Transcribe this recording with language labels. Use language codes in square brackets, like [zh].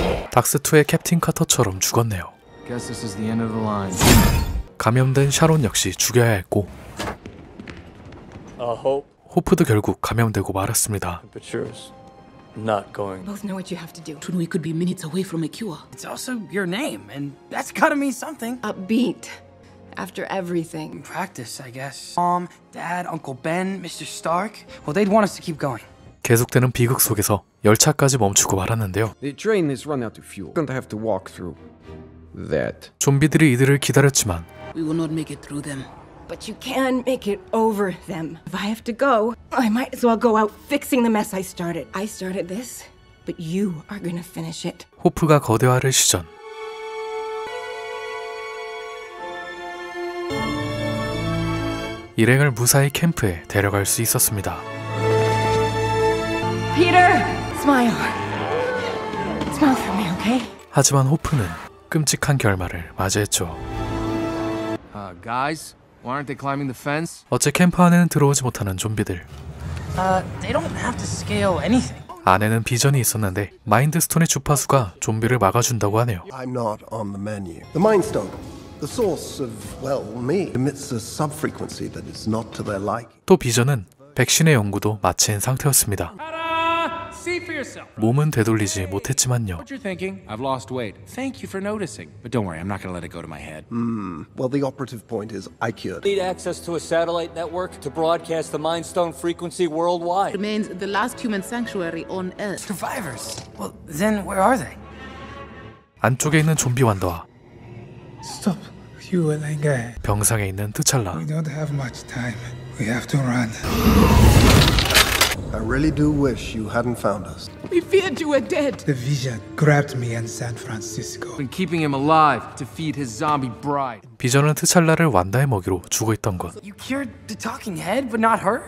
[ko] 닥스2의 캡틴 카터처럼 죽었네요. 감염된 샤론 역시 죽여야 했고 호프도 결국 감염되고 말았습니다. [en] Not going. Both know what you have to do. Soon we could be minutes away from a cure. It's also your name, and that's gotta mean something. Upbeat. After everything. Practice, I guess. Mom, Dad, Uncle Ben, Mr. Stark. Well, they'd want us to keep going. [ko] 계속되는 비극 속에서 열차까지 멈추고 말았는데요. [en] The train is run out of fuel. We're going to have to walk through that. [ko] 좀비들이 이들을 기다렸지만 [en] We will not make it through them. But you can make it over them. If I have to go, I might as well go out fixing the mess I started. I started this, but you are going to finish it. [ko] 호프가 거대화를 시전. 일행을 무사히 캠프에 데려갈 수 있었습니다. [en] Peter, smile. Smile for me, okay? [ko] 하지만 호프는 끔찍한 결말을 맞이했죠. [en] Guys, why aren't they climbing the fence? [ko] 어째 캠프 안에는 들어오지 못하는 좀비들. [en] They don't have to scale anything. [ko] 안에는 비전이 있었는데 마인드스톤의 주파수가 좀비를 막아준다고 하네요. [en] I'm not on the menu. The mindstone. The source of well, me emits a subfrequency that is not to their liking. [ko] 또 비전은 백신의 연구도 마친 상태였습니다. 몸은 되돌리지 못했지만요. [en] What you're thinking? I've lost weight. Thank you for noticing. But don't worry, I'm not gonna let it go to my head. Well, the operative point is I cured. Need access to a satellite network to broadcast the Mind Stone frequency worldwide. Remains the last human sanctuary on Earth. Survivors. Well, then where are they? [ko] 안쪽에 있는 좀비 완도와. [en] Stop, you will anger. [ko] 병상에 있는 트찰라. [en] We don't have much time. We have to run. I really do wish you hadn't found us. We feared you were dead. The vision grabbed me in San Francisco. Been keeping him alive to feed his zombie bride. [ko] 비전은 트찰라를 완다의 먹이로 주고 있던 것. [en] You cured the talking head, but not her?